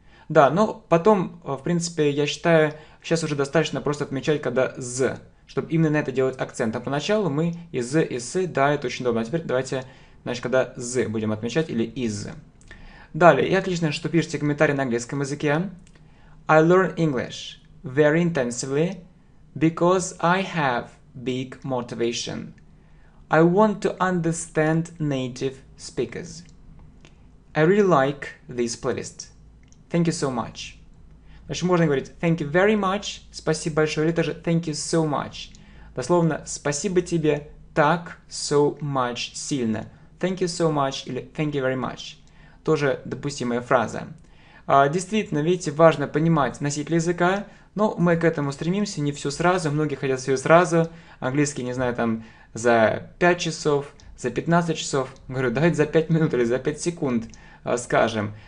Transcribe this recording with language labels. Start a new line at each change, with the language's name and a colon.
Russian: Да, но потом, в принципе, я считаю, сейчас уже достаточно просто отмечать, когда «з», чтобы именно на это делать акцент. А поначалу мы и «з», и «с», да, это очень удобно. А теперь давайте, значит, когда «з» будем отмечать или «из». Далее, и отлично, что пишете комментарии на английском языке.
English: I learn English very intensively because I have big motivation. I want to understand native speakers. I really like this playlist. Thank you so much.
Russian: Значит, можно говорить
English: thank you very much,
Russian: спасибо большое, или тоже
English: thank you so much.
Russian: Дословно, спасибо тебе так,
English: so much,
Russian: сильно.
English: Thank you so much
Russian: или
English: thank you very much.
Russian: Тоже допустимая фраза. Действительно, видите, важно понимать носитель языка, но мы к этому стремимся, не все сразу, многие хотят все сразу, английский, не знаю, там, за 5 часов, за 15 часов, говорю, давайте за 5 минут или за 5 секунд скажем.